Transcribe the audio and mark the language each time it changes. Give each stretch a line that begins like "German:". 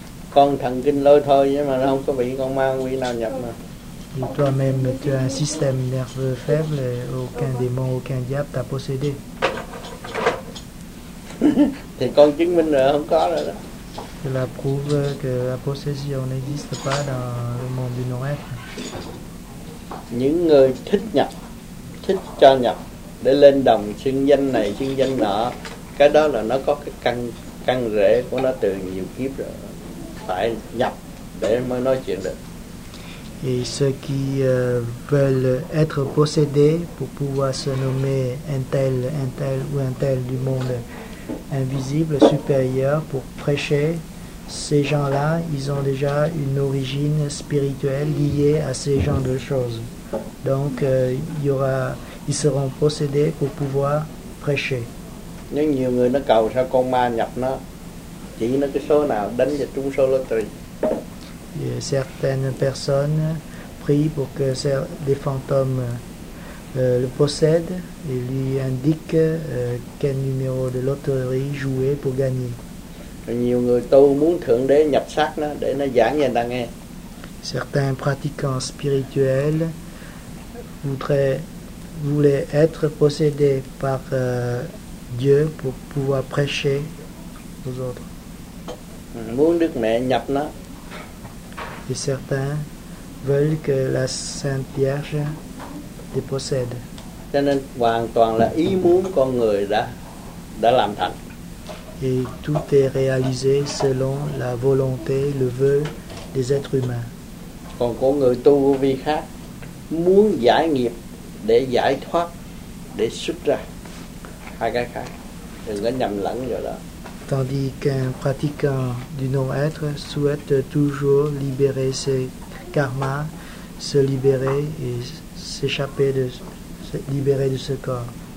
Vietnamese: Con thần kinh lôi thôi, nhưng mà nó không có bị con ma quỷ nào nhập mà.
French: Et toi-même, tu as un système nerveux faible et aucun démon, aucun diable t'a possédé.
Vietnamese: Thì con chứng minh là không có rồi đó.
French: C'est la preuve que la possession n'existe pas dans le monde du Nord-Est.
Vietnamese: Những người thích nhập, thích cho nhập để lên đồng xưng danh này, xưng danh nọ, cái đó là nó có cái căn căn rễ của nó từ nhiều kiếp rồi, phải nhập để mới nói chuyện được.
French: Et ceux qui veulent être possédés pour pouvoir se nommer un tel ou un tel du monde invisible, supérieur, pour prêcher, ces gens-là, ils ont déjà une origine spirituelle liée à ces genres de choses. Donc, ils seront possédés pour pouvoir prêcher.
Vietnamese: Nhưng nhiều người nó cầu sao con ma nhập nó, chỉ nó cái số nào đánh vào trúng số loterie.
French: Et certaines personnes prient pour que des fantômes le possèdent et lui indiquent quel numéro de loterie jouer pour gagner.
Vietnamese: Nhiều người tu muốn thượng đế nhập xác nó để nó giảng cho người ta nghe.
French: Certains pratiquants spirituels voulaient être possédés par Dieu pour pouvoir prêcher aux autres.
Vietnamese: Muốn Đức Mẹ nhập nó.
French: Et certains veulent que la Sainte Vierge les possède.
Vietnamese: Cho nên hoàn toàn là ý muốn con người đã làm thành.
French: Et tout est réalisé selon la volonté, le vœu des êtres humains.
Vietnamese: Còn con người tu vô vi khác muốn giải nghiệp để giải thoát, để xuất ra. Hai cái khác, đừng có nhầm lẫn vào đó.
French: Tandis qu'un pratiquant du non-être souhaite toujours libérer ses karmas, se libérer et s'échapper de se libérer de ce corps.